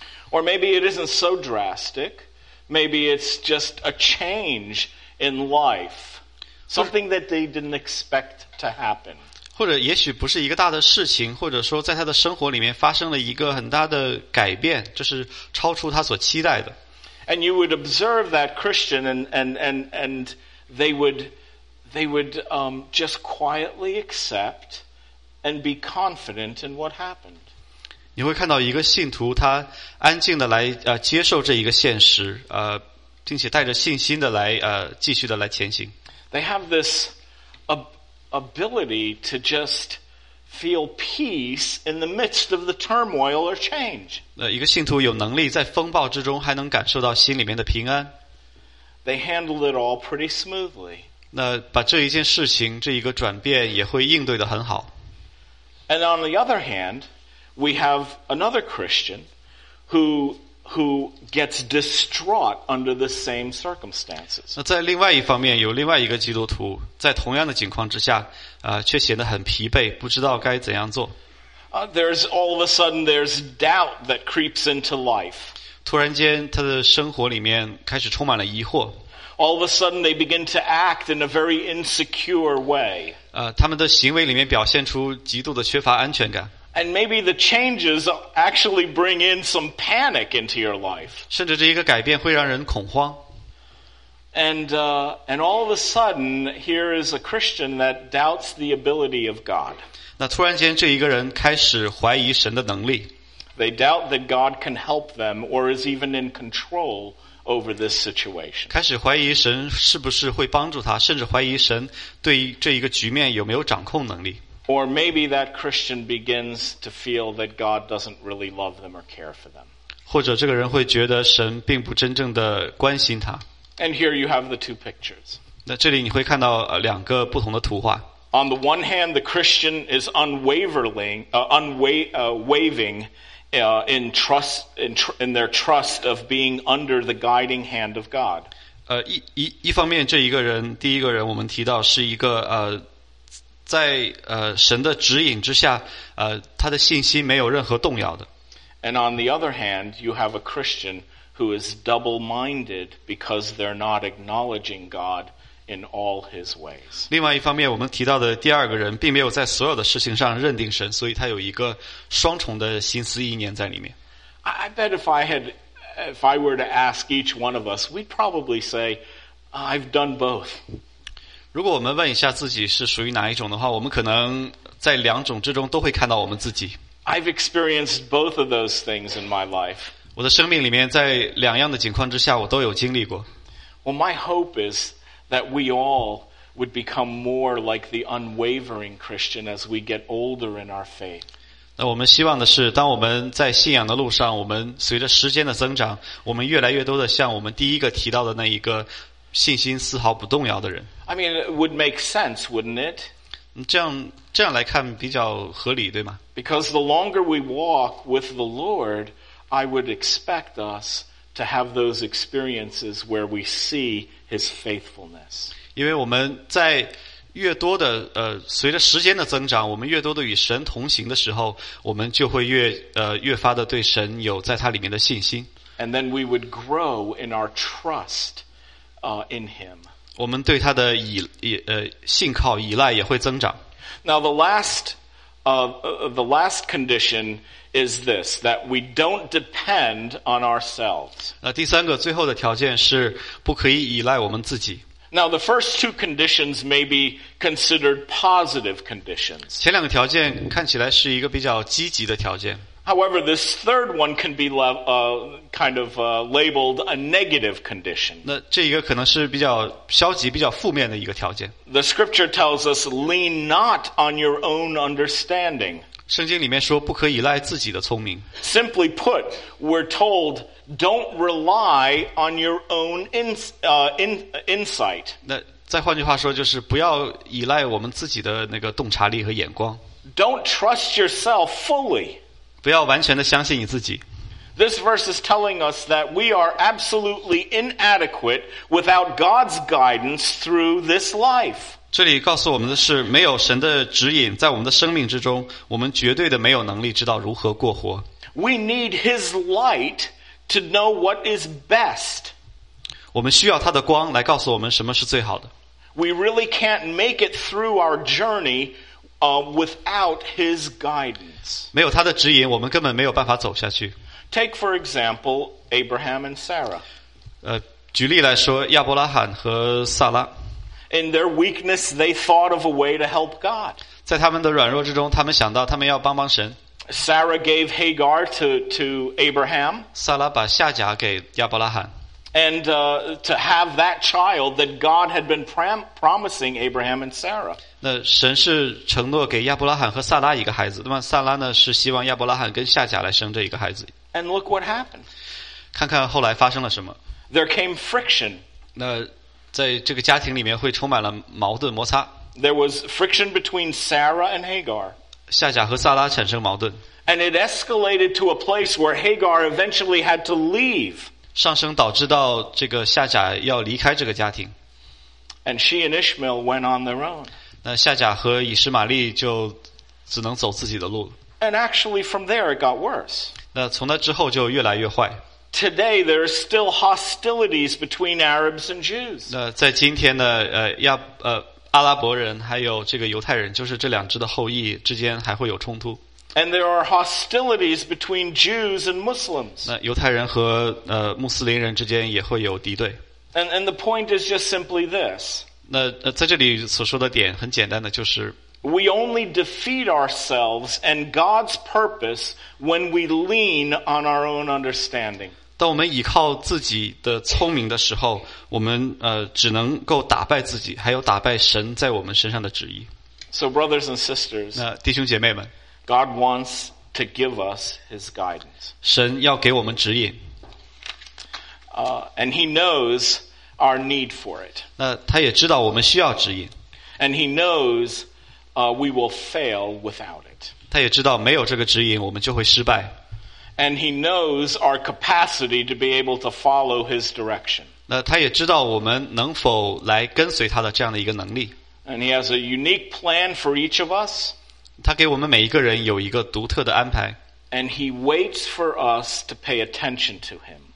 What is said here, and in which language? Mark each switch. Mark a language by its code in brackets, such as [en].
[en] Or maybe it isn't so drastic. Maybe it's just a change in life. Something that they didn't expect to happen. [zh] 或者也许不是一个大的事情，或者说在他的生活里面发生了一个很大的改变，就是超出他所期待的。 [en] And you would observe that Christian, and they would just quietly accept and be confident in what happened. [zh] 你会看到一个信徒，他安静的来接受这一个现实，并且带着信心的来继续的来前行。 [en] They have this ability to just. Feel peace in the midst of the turmoil or change. [zh] 一个信徒有能力在风暴之中还能感受到心里面的平安。 [en] They handle it all pretty smoothly. [zh] 那把这一件事情，这一个转变也会应对得很好。 [en] And on the other hand, we have another Christian who gets distraught under the same circumstances. [zh] 那在另外一方面，有另外一个基督徒在同样的情况之下。却显得很疲惫，不知道该怎样做。 [en] There's all of a sudden there's doubt that creeps into life. [zh] 突然间，他的生活里面开始充满了疑惑。 [en] All of a sudden they begin to act in a very insecure way. [zh] 他们的行为里面表现出极度的缺乏安全感。 [en] And maybe the changes actually bring in some panic into your life. [zh] 甚至这一个改变会让人恐慌。 [en] And all of a sudden, here is a Christian that doubts the ability of God. [zh] 那突然间这一个人开始怀疑神的能力。 [en] They doubt that God can help them or is even in control over this situation. [zh] 开始怀疑神是不是会帮助他，甚至怀疑神对这一个局面有没有掌控能力。 [en] Or maybe that Christian begins to feel that God doesn't really love them or care for them. [zh] 或者这个人会觉得神并不真正的关心他。 [en] And here you have the two pictures. [zh] 那这里你会看到两个不同的图画。 [en] On the one hand, the Christian is unwavering in their trust of being under the guiding hand of God. [zh] 一方面，这一个人，第一个人，我们提到是一个在神的指引之下，他的信心没有任何动摇的。 [en] And on the other hand, you have a Christian who is double-minded because they're not acknowledging God in all His ways. [zh] 另外一方面，我们提到的第二个人并没有在所有的事情上认定神，所以他有一个双重的心思意念在里面。 [en] I bet if I were to ask each one of us, we'd probably say, "I've done both." [zh] 如果我们问一下自己是属于哪一种的话，我们可能在两种之中都会看到我们自己。 [en] I've experienced both of those things in my life. [zh] 我的生命里面在两样的情况之下，我都有经历过。 [en] Well, my hope is that we all would become more like the unwavering Christian as we get older in our faith. [zh] 那我们希望的是，当我们在信仰的路上，我们随着时间的增长，我们越来越多的像我们第一个提到的那一个信心丝毫不动摇的人。 [en] I mean, it would make sense, wouldn't it? [zh] 这样来看比较合理，对吗？ [en] Because the longer we walk with the Lord, I would expect us to have those experiences where we see His faithfulness. [zh] 因为我们在越多的随着时间的增长，我们越多的与神同行的时候，我们就会越发的对神有在他里面的信心。 [en] And then we would grow in our trust. In him. [zh] 我们对他的信靠依赖也会增长。 [en] Now the last condition is this, that we don't depend on ourselves. [zh] 第三个最后的条件是不可以依赖我们自己。 [en] Now the first two conditions may be considered positive conditions. [zh] 前两个条件看起来是一个比较积极的条件。 [en] However, this third one can be labeled a negative condition. [zh] 那这一个可能是比较消极、比较负面的一个条件。 [en] The scripture tells us, lean not on your own understanding. [zh] 圣经里面说不可依赖自己的聪明。 [en] Simply put, we're told, don't rely on your own insight. [zh] 那再换句话说就是不要依赖我们自己的那个洞察力和眼光。 [en] Don't trust yourself fully. [zh] 不要完全的相信你自己。 [en] This verse is telling us that we are absolutely inadequate without God's guidance through this life. [zh] 这里告诉我们的是，没有神的指引，在我们的生命之中，我们绝对的没有能力知道如何过活。 [en] We need His light to know what is best. [zh] 我们需要他的光来告诉我们什么是最好的。 [en] We really can't make it through our journey without His guidance. [zh] 没有他的指引，我们根本没有办法走下去。 [en] Take for example Abraham and Sarah. [zh] 举例来说，亚伯拉罕和撒拉。 [en] In their weakness, they thought of a way to help God. [zh] 在他们的软弱之中，他们想到他们要帮帮神。 [en] Sarah gave Hagar to Abraham. [zh] 撒拉把夏甲给亚伯拉罕。 [en] And to have that child that God had been promising Abraham and Sarah. [zh] 那神是承诺给亚伯拉罕和撒拉一个孩子，那么撒拉呢是希望亚伯拉罕跟夏甲来生这一个孩子。 [en] And look what happened. [zh] 看看后来发生了什么。 [en] There came friction. [zh] 那在这个家庭里面会充满了矛盾摩擦。 [en] There was friction between Sarah and Hagar. [zh] 夏甲和撒拉产生矛盾。 [en] And it escalated to a place where Hagar eventually had to leave. [zh] 上升导致到这个夏甲要离开这个家庭。 [en] And she and Ishmael went on their own. [zh] 那夏甲和以实玛利就只能走自己的路。 [en] And actually from there it got worse. [zh] 那从那之后就越来越坏。 [en] Today there are still hostilities between Arabs and Jews. [zh] 那在今天呢阿拉伯人还有这个犹太人就是这两支的后裔之间还会有冲突。 [en] And there are hostilities between Jews and Muslims. [zh] 那犹太人和穆斯林人之间也会有敌对。 [en] And the point is just simply this. [zh] 那在这里所说的点很简单的就是。 [en] We only defeat ourselves and God's purpose when we lean on our own understanding. [zh] 当我们依靠自己的聪明的时候，我们只能够打败自己，还有打败神在我们身上的旨意。 [en] So brothers and sisters. [zh] 那弟兄姐妹们。 [en] God wants to give us His guidance. [zh] 神要给我们指引。 [en] And He knows our need for it. [zh] 那他也知道我们需要指引。 [en] And He knows, we will fail without it. [zh] 他也知道没有这个指引，我们就会失败。 [en] And He knows our capacity to be able to follow His direction. [zh] 那他也知道我们能否来跟随他的这样的一个能力。 [en] And He has a unique plan for each of us. [zh] 他给我们每一个人有一个独特的安排。 [en] And he waits for us to pay attention to him.